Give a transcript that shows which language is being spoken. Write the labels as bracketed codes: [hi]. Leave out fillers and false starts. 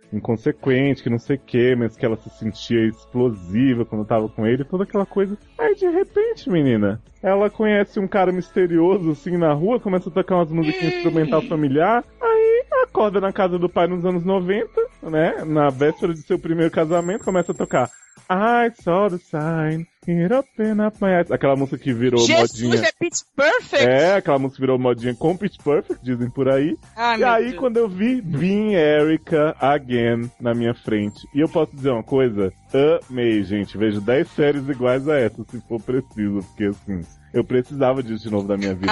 [pt] inconsequente, que não sei o que, mas que ela se sentia explosiva quando tava com ele, toda aquela coisa. Aí, de repente, menina, ela conhece um cara misterioso, assim, na rua, começa a tocar umas musiquinhas instrumental familiar, aí acorda na casa do pai nos anos 90, né, na véspera de seu primeiro casamento, começa a tocar [en] I saw the sign, it opened up my eyes. [pt] Aquela música que virou Jesus, modinha. Jesus, é Pitch Perfect? É, aquela música que virou modinha com Pitch Perfect, dizem por aí. Ah, e aí, Deus. Quando eu vi Being Erica Again na minha frente. E eu posso dizer uma coisa? Amei, gente. Vejo 10 séries iguais a essa, se for preciso. Porque, assim, eu precisava disso de novo na minha vida.